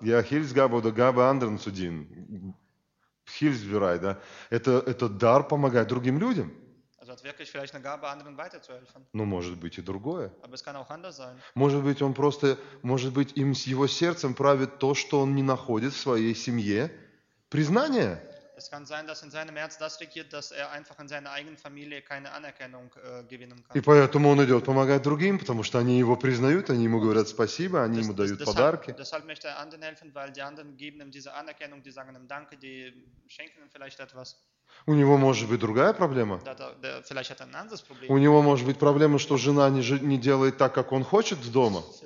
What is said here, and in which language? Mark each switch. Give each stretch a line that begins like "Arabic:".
German: Ja, Hilfsgabe oder Gabe anderen zu dienen. Hilfsbereit, ja.
Russian: Это дар помогать другим людям.
German: Also hat wirklich vielleicht eine Gabe, anderen weiterzuhelfen.
Russian: Но может быть и другое.
German: Aber es kann auch anders sein.
Russian: Может быть, он просто, может быть, им с его сердцем правит то, что он не находит в своей семье признания.
German: Es kann sein, dass in seinem Herz das regiert, dass er einfach in seiner eigenen Familie keine Anerkennung gewinnen kann.
Russian: И поэтому он идет помогать другим, потому что они его признают, они ему говорят спасибо, они ему дают подарки.
German: Deshalb möchte er anderen helfen, weil die anderen geben ihm diese Anerkennung, die sagen ihm Danke, die schenken ihm vielleicht etwas.
Russian: У него может быть другая проблема. Да, у него может быть проблема, что жена не делает так, как он хочет дома.